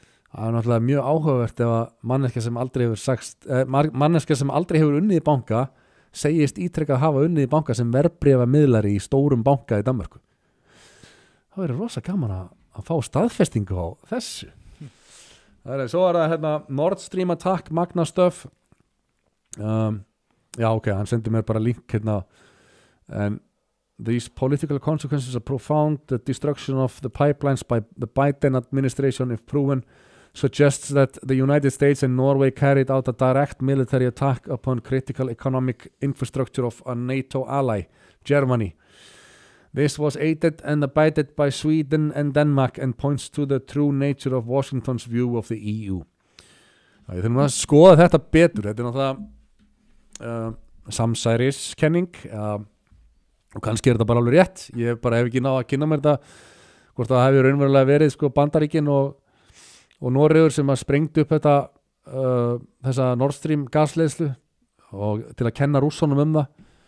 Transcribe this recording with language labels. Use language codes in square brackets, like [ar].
[is] Það náttúrulega mjög áhugavert ef að manneska sem aldrei hefur sagst, manneska sem aldrei hefur unnið í banka segist ítrekkað hafa unnið í banka sem verðbréfa miðlari í stórum banka í Danmörku. Það verður rosa gaman að fá staðfestingu á þessu. Það svo er það hérna Nord Stream Attack Magna Stuff. Já ok, hann sendi mér bara link hérna. En [en] These political consequences are profound, the destruction of the pipelines by the Biden administration if proven suggests that the United States and Norway carried out a direct military attack upon critical economic infrastructure of a NATO ally, Germany. This was aided and abetted by Sweden and Denmark and points to the true nature of Washington's view of the EU. [is] Það er náttúrulega að skoða þetta betur. Þetta er náttúrulega samsæriskenning og kannski er þetta bara alveg rétt. Ég bara hef ekki ná að kynna mér þetta hvort það hefur raunverulega verið sko Bandaríkin og Noregur sem að sprengdu upp þetta þessa Nord Stream gasleiðslu og til að kenna rússunum það.